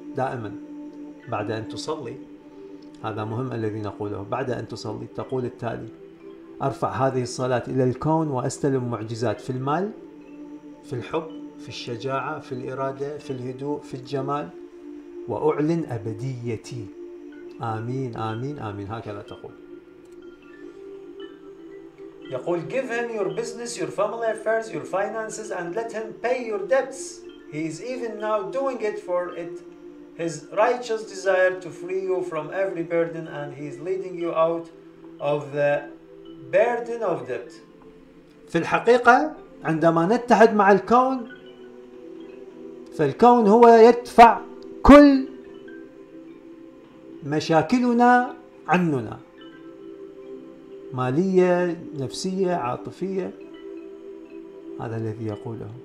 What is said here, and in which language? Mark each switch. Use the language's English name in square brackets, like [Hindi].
[Arabic] دائما بعد أن تصلي، هذا مهم الذي نقوله، بعد أن تصلي تقول التالي: أرفع هذه الصلاة إلى الكون وأستلم معجزات في المال، في الحب، في الشجاعة، في الإرادة، في الهدوء، في الجمال، وأعلن أبديتي. آمين آمين آمين، هكذا تقول. يقول [English] give him your business, your family affairs, your finances and let him pay your debts. He is even now doing it for it. His righteous desire to free you from every burden and he is leading you out of the burden of debt. [Arabic] في الحقيقة عندما نتحد مع الكون، فالكون هو يدفع كل مشاكلنا عننا، مالية، نفسية، عاطفية، هذا الذي يقوله.